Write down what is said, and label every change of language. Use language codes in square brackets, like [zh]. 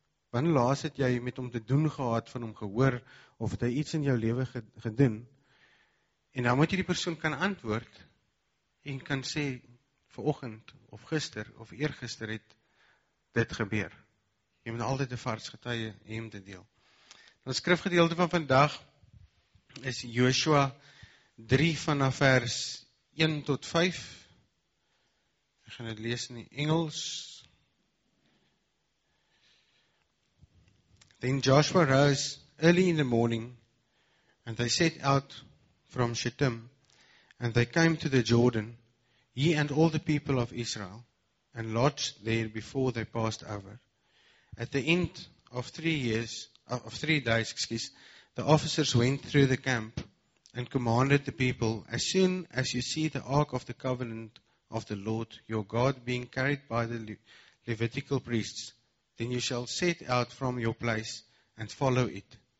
[af] Wanneer laas het jy met hom te doen gehad, van hom gehoor, of het hy iets in jou lewe gedoen, en dan moet jy die persoon kan antwoord, en kan sê, vanoggend, of gister, of eergister het dit gebeur. Jy moet altyd 'n vars getuie hem te deel. Dan skrifgedeelte van vandag, is Joshua 3 vanaf vers 1 tot 5. Ek gaan dit lees in die Engels. [en] Then Joshua rose early in the morning, and they set out from Shittim, and they came to the Jordan, he and all the people of Israel, and lodged there before they passed over. At the end of 3 years, of 3 days, excuse, the officers went through the camp and commanded the people, as soon as you see the Ark of the Covenant of the Lord, your God, being carried by the Levitical priests, then you shall set out from your place and follow it.